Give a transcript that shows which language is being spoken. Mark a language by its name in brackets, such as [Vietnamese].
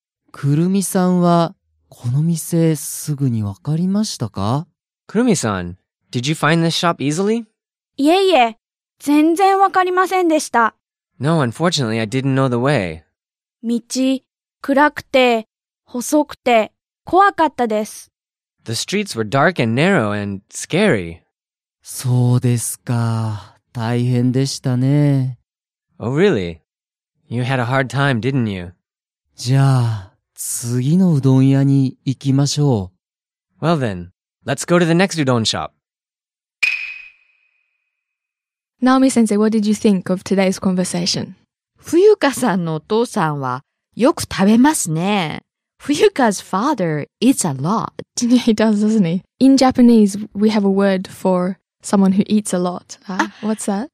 [Japanese] くるみさんはこの店すぐにわかりましたか? [English] くるみさん, did you find this shop easily? [Japanese] いえいえ、全然わかりませんでした。 [English] No, unfortunately, I didn't know the way. [Japanese] 道、暗くて、細くて、怖かったです。 [English] The streets were dark and narrow and scary. [Japanese] そうですか。大変でしたね。 [English] Oh, really? You had a hard time, didn't you? [Japanese] じゃあ、次のうどん屋に行きましょう。 [English] Well then, let's go to the next udon shop. Naomi-sensei, what did you think of today's conversation? [Japanese] Fuyuka-san のお父さんはよく食べますね。 [English] Fuyuka's father eats a lot. Yeah, he does, doesn't he? In Japanese, we have a word for someone who eats a lot. What's that?